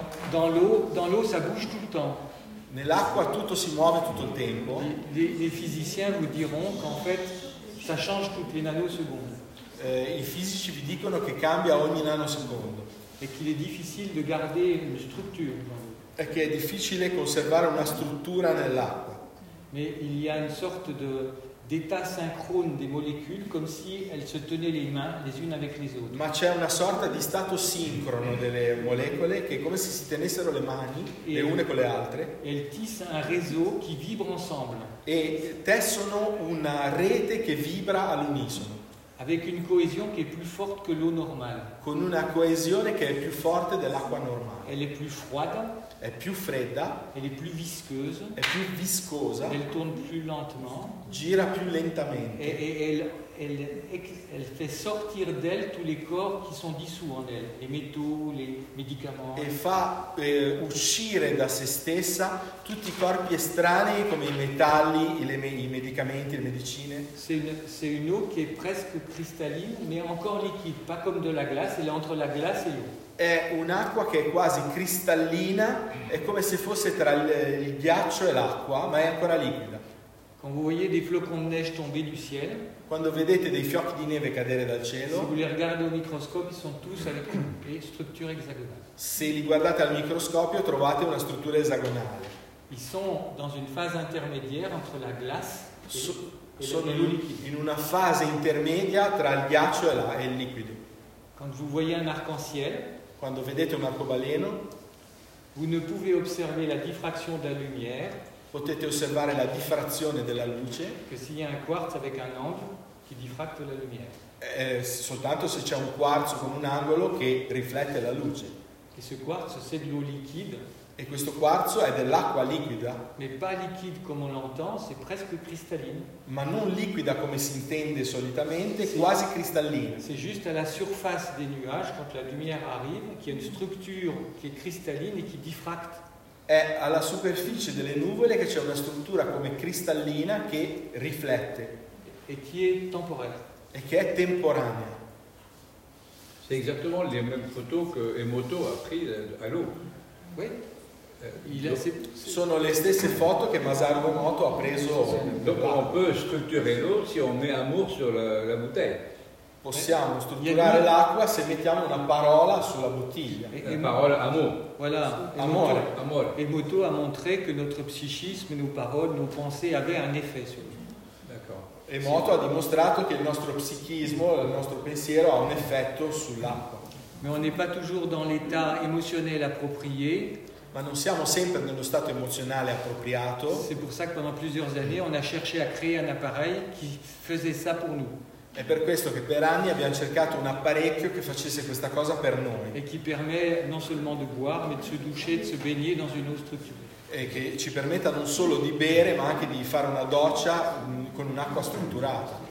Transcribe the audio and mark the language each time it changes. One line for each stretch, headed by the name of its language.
French: Dans l'eau, ça bouge tout le temps.
Italian: Nell'acqua tutto si muove tutto il tempo.
French: Les physiciens vous diront qu'en fait ça change toutes les nanosecondes.
Italian: I fisici vi dicono che cambia ogni nanosecondo.
French: Et qu'il est difficile de garder une structure dans l'eau.
Italian: E che è difficile conservare una struttura nell'acqua.
French: Mais il y a une sorte d'état synchrone des molécules comme si elles se tenaient les mains les unes avec les autres.
Italian: Ma c'è una sorta di stato sincrono delle molecole che è come se si tenessero le mani le une con le altre.
French: Elles tissent un réseau qui vibre ensemble.
Italian: E tessono una rete che vibra all'unisono.
French: Avec une cohésion qui est plus forte que l'eau normale.
Italian: Con una coesione che è più forte dell'acqua normale.
French: Elle est plus froide.
Italian: È più fredda.
French: Elle est plus visqueuse.
Italian: È più viscosa.
French: Elle tourne plus lentement.
Italian: Gira più lentamente.
French: Elle fait sortir d'elle tous les corps qui sont dissous en elle, les métaux, les médicaments.
Italian: E fa uscire da se stessa tutti i corpi estranei come i metalli, i medicamenti, le medicine.
French: C'est une eau qui est presque cristalline, mais encore liquide, pas comme de la glace. Elle est entre la glace et l'eau.
Italian: È un'acqua che è quasi cristallina, è come se fosse tra il ghiaccio e l'acqua, ma è ancora liquida.
French: Quand vous voyez des flocons de neige tomber du ciel.
Italian: Quando vedete dei fiocchi di neve cadere dal cielo.
French: Si vous les regardez au microscope, ils sont tous avec une structure hexagonale.
Italian: Se li guardate al microscopio, trovate una struttura esagonale.
French: Ils sont dans une phase intermédiaire entre la glace et l'eau liquide.
Italian: In una fase intermedia tra il ghiaccio e il liquido.
French: Quand vous voyez un arc-en-ciel,
Italian: quando vedete un arcobaleno,
French: vous ne pouvez observer la diffraction de la lumière.
Italian: Potete osservare la diffrazione della luce. Che si ha
French: un quartz avec un angle qui diffracte la lumière.
Italian: Soltanto se c'è un quarzo con un angolo che riflette la luce.
French: Et ce quartz c'est de l'eau liquide.
Italian: E questo quarzo è dell'acqua liquida.
French: Mais pas liquide comme on l'entend, c'est presque cristalline.
Italian: Ma non liquida come si intende solitamente, quasi cristallina.
French: C'est juste à la surface des nuages quand la lumière arrive qu'il y a une structure qui est cristalline et qui diffracte.
Italian: È alla superficie delle nuvole che c'è una struttura come cristallina che riflette.
French: E qui est temporaire.
Italian: E che è temporanea.
French: C'est exactement les mêmes photos que Emoto a pris à l'eau. Oui.
Italian: Sono le stesse foto che Masaru Emoto ha preso.
French: Dopo on peut structurer l'eau si on met amour sur la bouteille.
Italian: Possiamo strutturare l'acqua se mettiamo una parola sulla bottiglia. Parola amore.
French: Voilà.
Italian: Amore. Amore.
French: Emoto ha montré che notre psichisme, nos paroles, nos pensées avaient un effet sur lui. D'accord.
Italian: Emoto ha dimostrato che il nostro psichismo, il nostro pensiero ha un effetto sull'acqua.
French: Mais on n'est pas toujours dans l'état émotionnel approprié.
Italian: Ma non siamo sempre nello stato emozionale appropriato.
French: C'est pour ça que pendant plusieurs années, on a cherché à créer un appareil qui faisait ça pour nous.
Italian: È per questo che per anni abbiamo cercato un apparecchio che facesse questa cosa per noi.
French: Et qui permet non seulement de boire, mais de se doucher, de se baigner dans une eau structurée.
Italian: E che ci permetta non solo di bere, ma anche di fare una doccia con un'acqua strutturata.